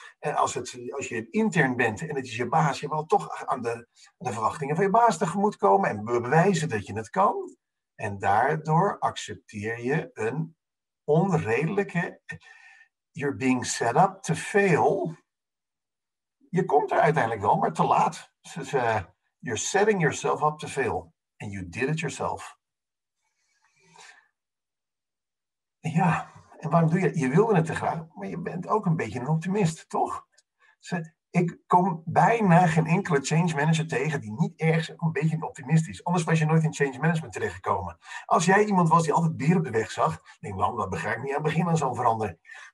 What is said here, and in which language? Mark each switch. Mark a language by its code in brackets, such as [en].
[nl] En als je intern bent en het is je baas, je wil toch aan de verwachtingen van je baas tegemoet komen en bewijzen dat je het kan. En daardoor accepteer je een onredelijke, [en] you're being set up to fail. [nl] Je komt er uiteindelijk wel, maar te laat. Dus, [en] you're setting yourself up to fail and you did it yourself. [nl] Ja, en waarom doe je dat? Je wilde het te graag, maar je bent ook een beetje een optimist, toch? Ik kom bijna geen enkele change manager tegen die niet ergens een beetje een optimist is. Anders was je nooit in change management terechtgekomen. Als jij iemand was die altijd bier op de weg zag, denk ik, waarom, dat begrijp ik niet aan het begin aan zo'n verandering.